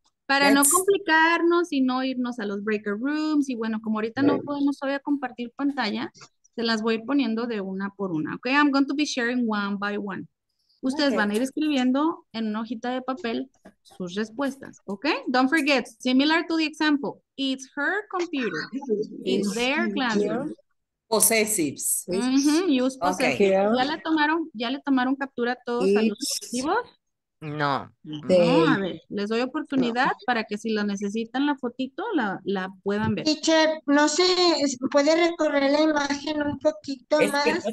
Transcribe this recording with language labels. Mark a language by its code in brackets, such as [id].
[es] Para no complicarnos y no irnos a los breaker rooms, y bueno, como ahorita no podemos todavía compartir pantalla, se las voy poniendo de una por una. [en] Okay, I'm going to be sharing one by one. [es] Ustedes van a ir escribiendo en una hojita de papel sus respuestas, okay? [en] Don't forget, similar to the example, it's her computer, it's their classroom. Possessives. Mm-hmm. Use possessives. Okay. [es] ¿Ya le tomaron captura a todos a los objetivos? No. No, a ver, les doy oportunidad para que si lo necesitan la fotito, la puedan ver. Teacher, no sé, ¿puede recorrer la imagen un poquito es más? Que...